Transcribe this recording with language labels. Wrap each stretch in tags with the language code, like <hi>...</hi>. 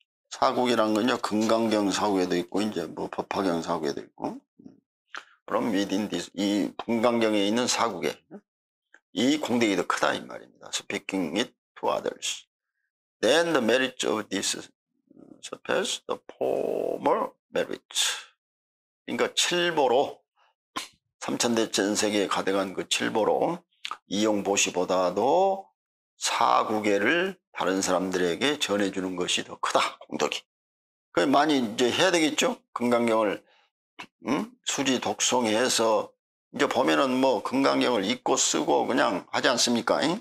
<ko>사구계란 건요, 금강경 사구계도 있고, 이제 뭐 법화경 사구계도 있고. 그럼</ko> <en>within this,</en> <ko>이 금강경에 있는 사구계. 이 공덕이 더 크다, 이 말입니다.</ko> <en>Speaking it to others. Then the merits of this surpass the former merits.</en> <ko>그러니까 칠보로, 삼천대천세계에 가득한 그 칠보로, 이용보시보다도 사구계를 다른 사람들에게 전해주는 것이 더 크다, 공덕이. 그 많이 이제 해야 되겠죠? 금강경을 수지 독송해서 이제 보면은 뭐 금강경을 읽고 쓰고 그냥 하지 않습니까?</ko>